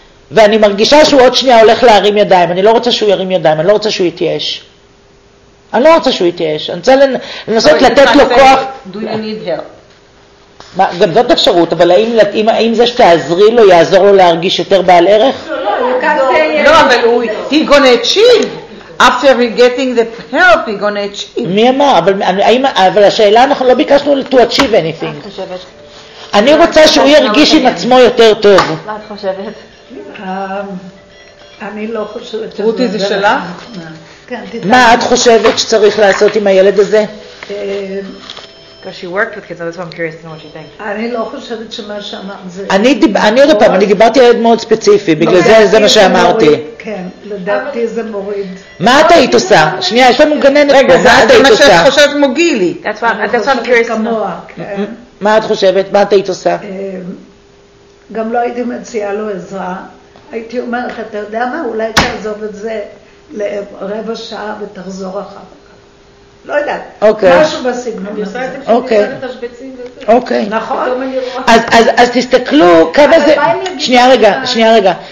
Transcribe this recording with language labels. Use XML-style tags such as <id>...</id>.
<he>ואני מרגישה שהוא עוד שנייה הולך להרים ידיים, אני לא רוצה שהוא ירים ידיים, אני לא רוצה שהוא יתייאש. אני לא רוצה שהוא יתייאש, אני רוצה לנסות לתת לו כוח.</he> <en>Do you need help?</en> <he>גם זאת אפשרות, אבל האם זה שתעזרי לו יעזור לו להרגיש יותר בעל ערך? לא, אבל הוא</he> <en>יגון אצ'יב. After getting the help, he's going to achieve.</en> <he>מי אמר? אבל השאלה, אנחנו לא ביקשנו</he> <en>to achieve anything.</en> <he>את חושבת? אני רוצה שהוא ירגיש עם עצמו יותר טוב. מה את חושבת? אני לא חושבת. רותי, זה שלך? מה את חושבת שצריך לעשות עם הילד הזה?</he> <en>Because she worked with kids, so that's why I'm curious to know what you think.</en> <he>אני לא חושבת שמה שאמרת זה... אני עוד פעם, אני דיברתי על ילד מאוד ספציפי, בגלל זה זה מה שאמרתי. כן, לדעתי זה מוריד. מה את היית עושה? שנייה, יש לנו גננת פה, מה את היית עושה? רגע, זה מה שאת חושבת מוגילי.</he> <en>That's why I'm curious to know.</en> <he>מה את חושבת? מה את היית עושה? גם לא הייתי מציעה לו עזרה. הייתי אומרת, אתה יודע מה? אולי תעזוב את זה לרבע שעה ותחזור אחר. לא יודעת, אוקיי. משהו בסגנון הזה. אוקיי. אוקיי. נכון. אז תסתכלו כמה זה... שנייה רגע.</he>